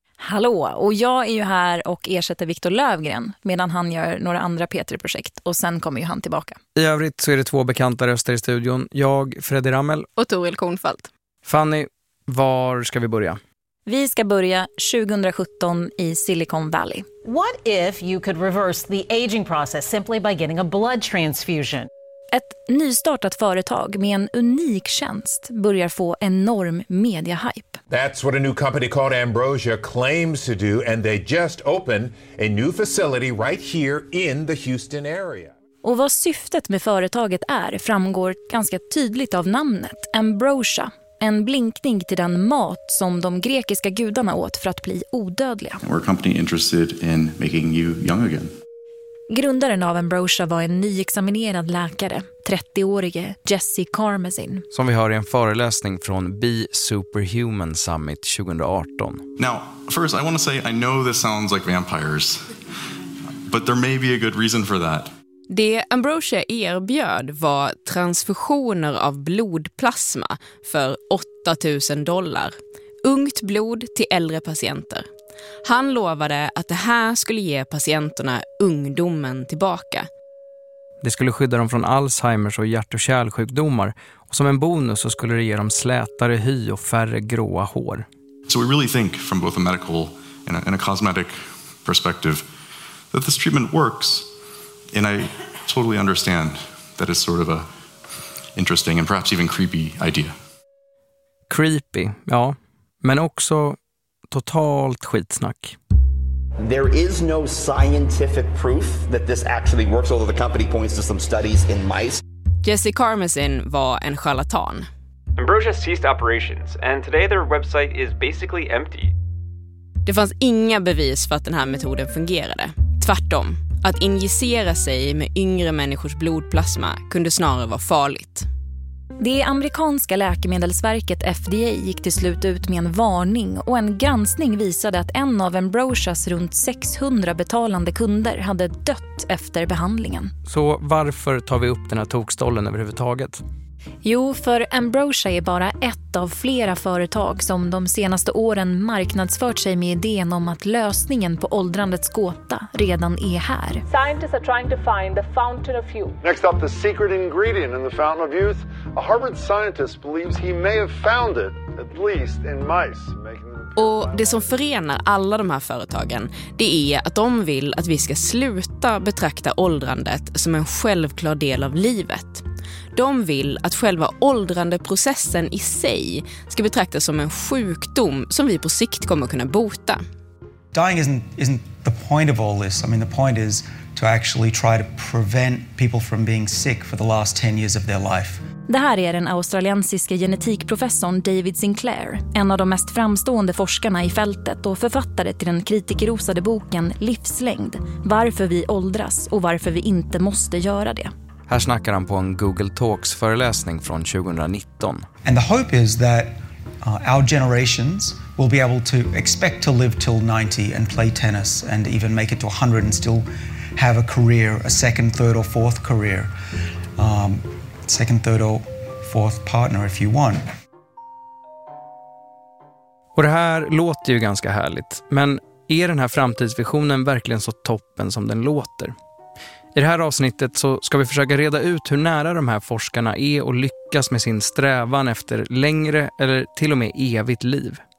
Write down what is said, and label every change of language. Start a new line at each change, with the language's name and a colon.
Swedish: Hallå, och jag är ju här och ersätter Viktor Lövgren medan han gör några andra P3-projekt och sen kommer ju han tillbaka. I övrigt så är det två bekanta röster i studion. Jag, Freddy Rammel. Och Toril Kornfeldt. Fanny, var ska vi börja? Vi ska börja 2017 i Silicon Valley.
English: What if you could reverse the aging process simply by getting a blood transfusion?
Swedish: Ett nystartat företag med en unik tjänst börjar få enorm mediehype.
English: That's what a new company called Ambrosia claims to do, and they just opened a new facility right here in the Houston area.
Swedish: Och vad syftet med företaget är framgår ganska tydligt av namnet Ambrosia. En blinkning till den mat som de grekiska gudarna åt för att bli odödliga.
English: We're a company interested in making you young again.
Swedish: Grundaren av Ambrosia var en nyexaminerad läkare, 30-årige Jesse Carmazin. Som vi hör i en föreläsning från Be Superhuman Summit 2018.
English: Now, first I want to say I know this sounds like vampires, but there may be a good reason for that.
Swedish: Det Ambrosia erbjöd var transfusioner av blodplasma för $8,000. Ungt blod till äldre patienter. Han lovade att det här skulle ge patienterna ungdomen tillbaka. Det skulle skydda dem från Alzheimers och hjärt- och kärlsjukdomar. Och som en bonus så skulle det ge dem slätare hy och färre gråa hår.
English: So we really think from both a medical and a cosmetic perspective that this treatment works. And I totally understand that it's sort of a interesting and perhaps even creepy idea.
Swedish: Creepy, ja. Men också totalt skitsnack.
English: There is no scientific proof that this actually works, although the company points to some studies in mice.
Swedish: Jesse Carmazin var en charlatan.
English: Ambrosia ceased operations, and today their website is basically empty.
Swedish: Det fanns inga bevis för att den här metoden fungerade. Tvärtom. Att injicera sig med yngre människors blodplasma kunde snarare vara farligt. Det amerikanska läkemedelsverket FDA gick till slut ut med en varning och en granskning visade att en av Ambrosias runt 600 betalande kunder hade dött efter behandlingen. Så varför tar vi upp den här tokstollen överhuvudtaget? Jo, för Ambrosia är bara ett av flera företag som de senaste åren marknadsfört sig med idén om att lösningen på åldrandets gåta redan är här.
English: Scientists are trying to find the fountain of youth. Next up, the secret ingredient in the fountain of youth. A Harvard scientist believes he may have found it, at least in mice.
Swedish: Och det som förenar alla de här företagen, det är att de vill att vi ska sluta betrakta åldrandet som en självklar del av livet. De vill att själva åldrandeprocessen i sig ska betraktas som en sjukdom som vi på sikt kommer kunna bota.
English: Dying isn't the point of all this. I mean, the point is to actually try to prevent people from being sick for the last 10 years of their life.
Swedish: Det här är den australiensiska genetikprofessorn David Sinclair, en av de mest framstående forskarna i fältet och författare till den kritikerrosade boken Livslängd, varför vi åldras och varför vi inte måste göra det. Här snackar han på en Google Talks-föreläsning från 2019.
English: And the hope is that our generations will be able to expect to live till 90 and play tennis and even make it to 100 and still have a career, a second, third or fourth career. Second, third or fourth partner if you want.
Swedish: Och det här låter ju ganska härligt. Men är den här framtidsvisionen verkligen så toppen som den låter? I det här avsnittet så ska vi försöka reda ut hur nära de här forskarna är och lyckas med sin strävan efter längre eller till och med evigt liv.